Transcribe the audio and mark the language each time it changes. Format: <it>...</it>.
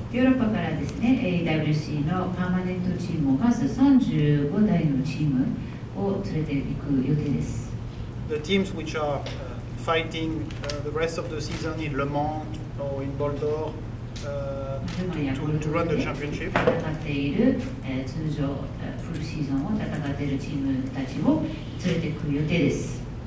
<ja>ヨーロッパからですね、AWC のパーマネントチームをまず35台のチームを連れていく予定です。</ja> <en>The teams which are fighting the rest of the season in Le Mans or in Bordeaux to run the championship.</en> <ja>戦っている、通常、フルシーズンを戦っているチームたちを連れていく予定です。</ja>